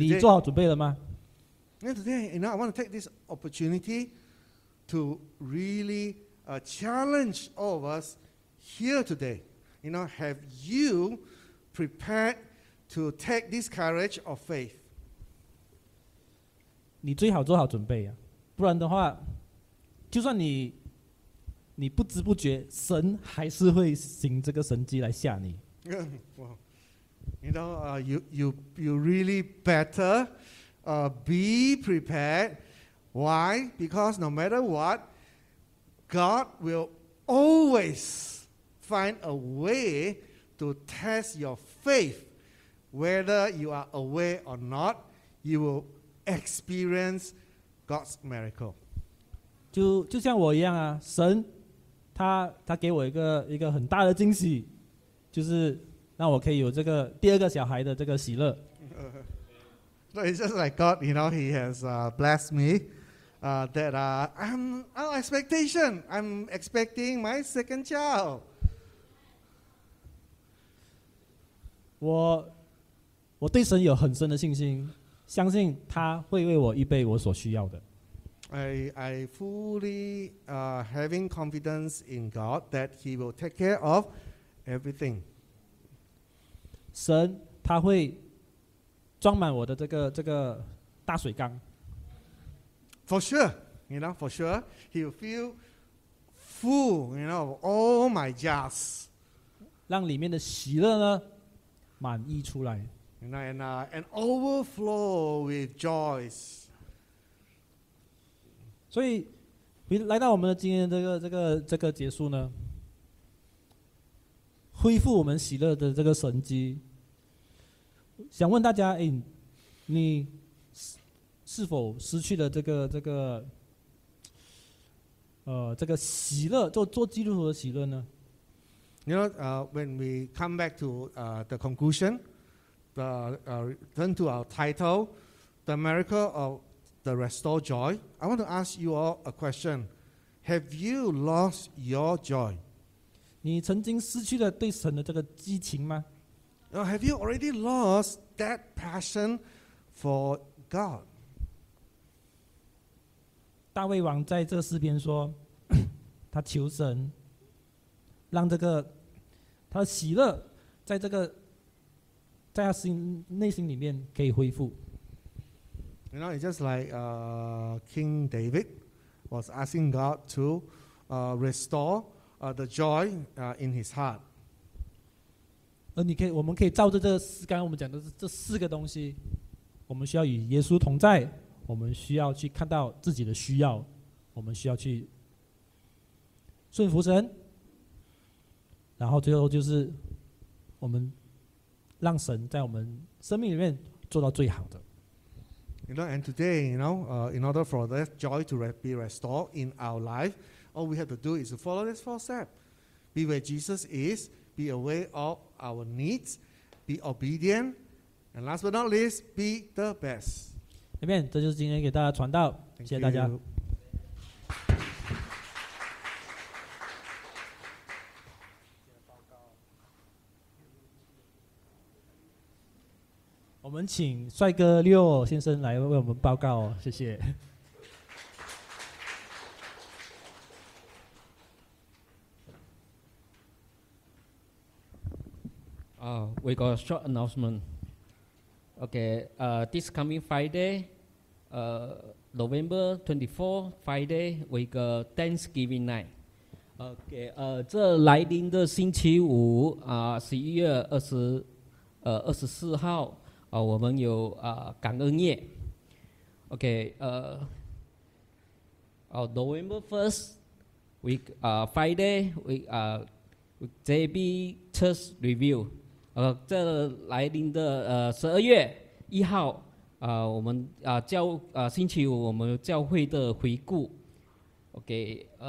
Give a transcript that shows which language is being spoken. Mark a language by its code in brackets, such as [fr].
[en] you made all the preparations? And today, you know, I want to take this opportunity to really. Challenge all of us here today. You know, have you prepared to take this courage of faith? [zh] 你最好做好准备啊，不然的话，就算你不知不觉，神还是会行这个神迹来吓你。 [en] Well, you know, you really better be prepared. Why? Because no matter what. God will always find a way to test your faith. Whether you are aware or not, you will experience God's miracle. [zh] 就像我一样啊，神他给我一个很大的惊喜，就是让我可以有这个第二个小孩的这个喜乐。 [en] So it's just like God, you know, he has blessed me. I'm out of expectation. I'm expecting my second child. [zh] 我对神有很深的信心，相信他会为我预备我所需要的。 [en] I fully having confidence in God that He will take care of everything. [zh] 神他会装满我的这个大水缸。 [en] For sure, you know, for sure, he will feel full, you know, of all my jars. [zh] 让里面的喜乐呢，满溢出来。 [en] You know, and overflow with joys. [zh] 所以，来到我们的今天这个结束呢，恢复我们喜乐的这个神迹。想问大家，哎，你。是否失去了这个喜乐，做基督徒的喜乐呢？ [en] You know, when we come back to the conclusion, turn to our title, The Miracle of the Restored Joy, I want to ask you all a question. Have you lost your joy? [zh] 你曾经失去了对神的这个激情吗？ [en] Have you already lost that passion for God? [zh] 大卫王在这诗篇说，他求神让这个他的喜乐在他内心里面可以恢复。 [en] You know, it's just like King David was asking God to restore the joy in his heart. [zh] 而你可以，我们可以照着这四，刚刚我们讲的这四个东西，我们需要与耶稣同在，我们需要去看到自己的需要，我们需要去顺服神，然后最后就是我们让神在我们生命里面做到最好的。 [en] You know, and today, you know, in order for that joy to be restored in our life, all we have to do is to follow this four step. Be where Jesus is, be aware of our needs, be obedient, and last but not least, be the best. Amen. [zh] 这就是今天给大家传道。 [en] Thank [zh] 谢谢大家。 [en] You. [zh] 我们请帅哥六先生来为我们报告，谢谢。 [en] We got a short announcement. Okay, this coming Friday, November 24, Friday, we got Thanksgiving night. [zh] Okay, 这来临的星期五啊，11月24号。我们有感恩夜 ，OK， [en] November 1st week Friday week JB Church Review， [zh] 这来临的12月1号我们教星期五我们教会的回顾 ，OK，